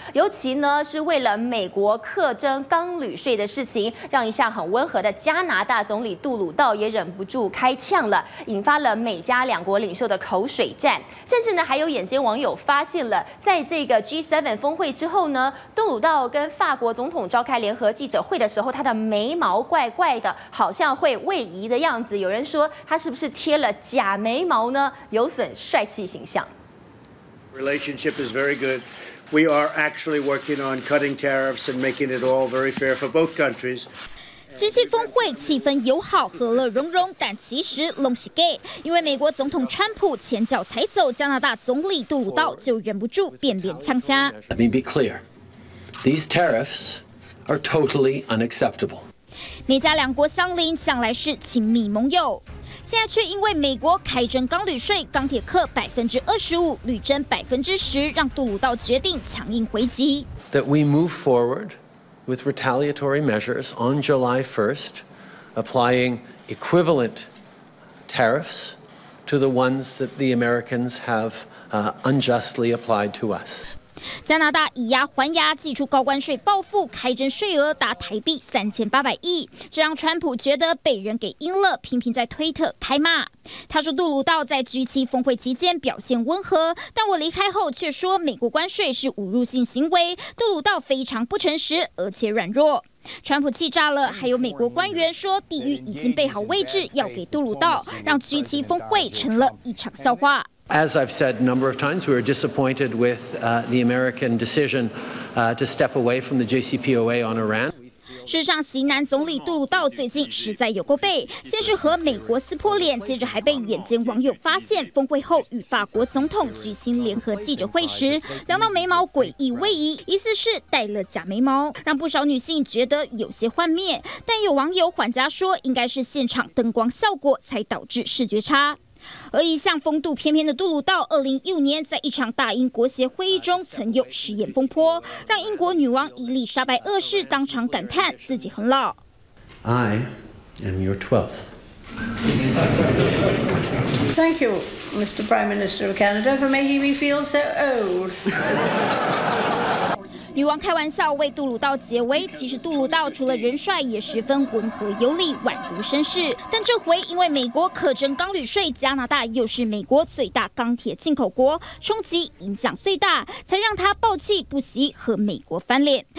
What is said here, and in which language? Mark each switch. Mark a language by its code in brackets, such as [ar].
[zh] 尤其呢是为了美国课征钢铝税的事情，让一向很温和的加拿大总理杜鲁道也忍不住开呛了，引发了美加两国领袖的口水战，甚至呢还有眼尖网友发现了，在这个 G7 峰会之后呢，杜鲁道跟法国总统召开联合记者会的时候，他的眉毛怪怪的，好像会位移的样子，有人说他是不是贴了假眉毛呢，有损帅气形象。 [en] Relationship is very good. We are actually working on cutting tariffs and making it all very fair for both countries. [zh] G7 峰会气氛友好，和乐融融，但其实拢是假，因为美国总统川普前脚才走，加拿大总理杜鲁道就忍不住变脸呛虾。 [en] Let me be clearThese tariffs are totally unacceptable. [zh] 美加两国相邻，向来是亲密盟友，现在却因为美国开征钢铝税，钢铁课25%，铝征10%，让杜鲁道决定强硬回击。 [en] That we move forward with retaliatory measures on July 1st, applying equivalent tariffs to the ones that the Americans have unjustly applied to us. [zh] 加拿大以牙还牙，祭出高关税报复，开征税额达台币3800亿，这让川普觉得被人给阴了，频频在推特开骂。他说杜鲁道在 G7 峰会期间表现温和，但我离开后却说美国关税是侮辱性行为，杜鲁道非常不诚实而且软弱。川普气炸了，还有美国官员说地狱已经备好位置要给杜鲁道，让 G7 峰会成了一场笑话。 [en] As I've said a number of times, we were disappointed with the American decision to step away from the JCPOA on Iran. [zh] 事实上，西南总理杜鲁道最近实在有够背，先是和美国撕破脸，接着还被眼尖网友发现，峰会后与法国总统举行联合记者会时，两道眉毛诡异位移，疑似是戴了假眉毛，让不少女性觉得有些幻灭。但有网友缓颊说，应该是现场灯光效果才导致视觉差。而一向风度翩翩的杜鲁道，2015年在一场大英国协会议中曾有实验风波，让英国女王伊丽莎白二世当场感叹自己很老。 [en] I am your 12th. Thank you, Mr. Prime Minister of Canada, for making me feel so old. [zh] 女王开玩笑为杜鲁道解围，其实杜鲁道除了人帅，也十分温和有礼，宛如绅士。但这回因为美国苛征钢铝税，加拿大又是美国最大钢铁进口国，冲击影响最大，才让他暴气不息和美国翻脸。